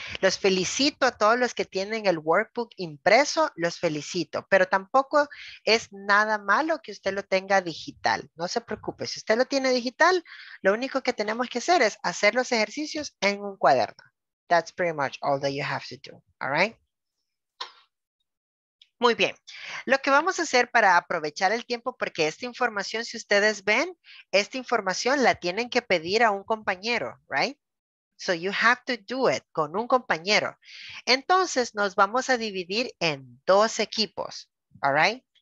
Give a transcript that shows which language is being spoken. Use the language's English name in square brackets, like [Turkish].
[Spanish] Los felicito a todos los que tienen el workbook impreso, los felicito. Pero tampoco es nada malo que usted lo tenga digital. No se preocupe, si usted lo tiene digital, lo único que tenemos que hacer es hacer los ejercicios en un cuaderno. [English] That's pretty much all that you have to do, all right? [Spanish] Muy bien, lo que vamos a hacer para aprovechar el tiempo, porque esta información, si ustedes ven, esta información la tienen que pedir a un compañero, right? [English] So you have to do it [Spanish] con un compañero. Entonces nos vamos a dividir en dos equipos, all right?